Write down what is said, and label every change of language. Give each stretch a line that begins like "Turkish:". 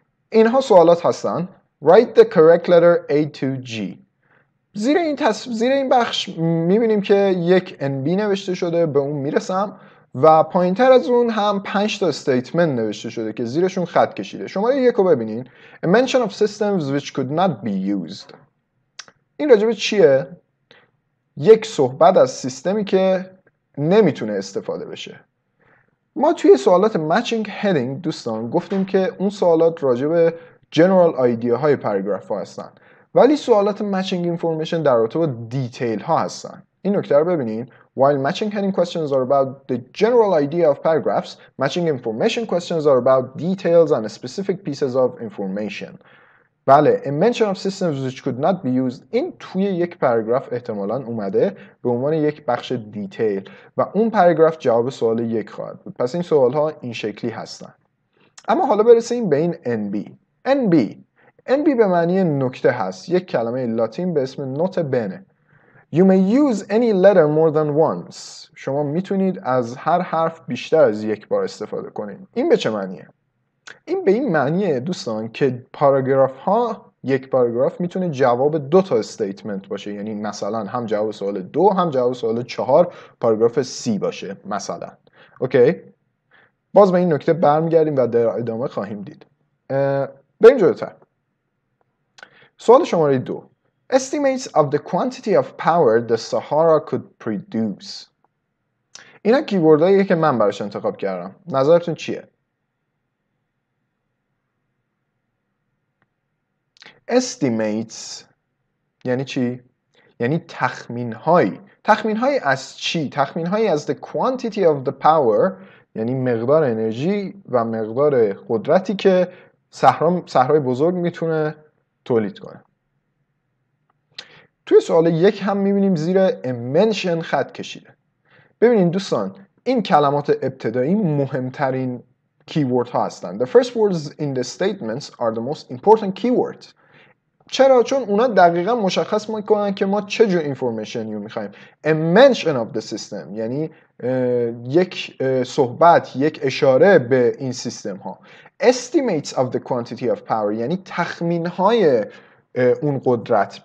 Persian: اینها سوالات هستن.
English: Write the correct letter A to G.
Persian: زیر این بخش میبینیم که یک NB نوشته شده، به اون میرسم و پایین تر از اون هم 5 تا statement نوشته شده که زیرشون خط کشیده. شماره یک رو ببینین.
English: A mention of systems which could not be used.
Persian: این راجب چیه؟ یک صحبت از سیستمی که نمیتونه استفاده بشه. ما توی سوالات matching heading دوستان گفتیم که اون سوالات راجع به general idea های paragraph ها هستن، ولی سوالات matching information در رابطه با detail ها هستن. این نکته رو ببینین.
English: While matching heading questions are about the general idea of paragraphs, matching information questions are about details and specific pieces of information.
Persian: بله،
English: a mention of systems which could not be used،
Persian: این توی یک پاراگراف احتمالاً اومده به عنوان یک بخش دیتیل و اون پاراگراف جواب سوال یک خواهد بود. پس این سوال ها این شکلی هستن. اما حالا برسیم به این NB به معنی نکته هست، یک کلمه لاتین به اسم نوته بنه.
English: You may use any letter more than once.
Persian: شما میتونید از هر حرف بیشتر از یک بار استفاده کنید. این به چه معنیه؟ این به این معنیه دوستان که پاراگراف ها، یک پاراگراف میتونه جواب دو تا استیتمنت باشه، یعنی مثلا هم جواب سوال 2 هم جواب سوال 4 پاراگراف سی باشه مثلا. اوکی، باز به این نکته برمیگردیم و در ادامه خواهیم دید. بریم جلوتر. سوال شماره 2.
English: Estimates of the quantity of power the Sahara could produce.
Persian: اینا کیوردهایی که من براش انتخاب کردم، نظرتون چیه؟ Estimates یعنی چی؟ یعنی تخمین هایی از چی؟ تخمین هایی از
English: the quantity of the power،
Persian: یعنی مقدار انرژی و مقدار قدرتی که صحرای بزرگ میتونه تولید کنه. توی سوال یک هم میبینیم زیر a mention خط کشیده. ببینید دوستان، این کلمات ابتدایی مهمترین کیورد ها هستن.
English: The first words in the statements are the most important keywords.
Persian: چرا؟ چون اونا دقیقا مشخص میکنن که ما چه جور اینفورمیشنی رو میخواییم.
English: A mention of the system
Persian: یعنی یک صحبت، یک اشاره به این سیستم ها.
English: Estimates of the quantity of power
Persian: یعنی تخمین های اون قدرت.